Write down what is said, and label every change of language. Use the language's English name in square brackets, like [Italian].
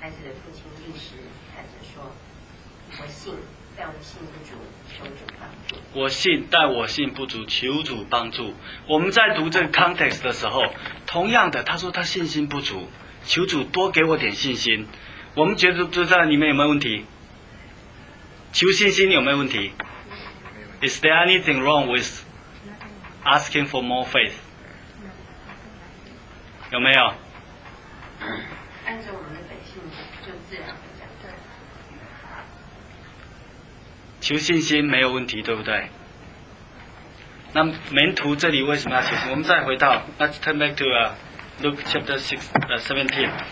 [Chinese] 孩子的父亲立时喊着说：“我信，但我信不足，求主帮助。” 我信，但我信不足，求主帮助。我们在读这个 context 的时候，同样的，他说他信心不足，求主多给我点信心。我们觉得就在里面有没有问题？求信心有没有问题？ [English] Is there anything wrong with asking for more faith? [Chinese] 有没有？按照我们的本性，就自然求信心没有问题，对不对？那门徒这里为什么要求？我们再回到 [English] Let's turn back to Luke chapter 17。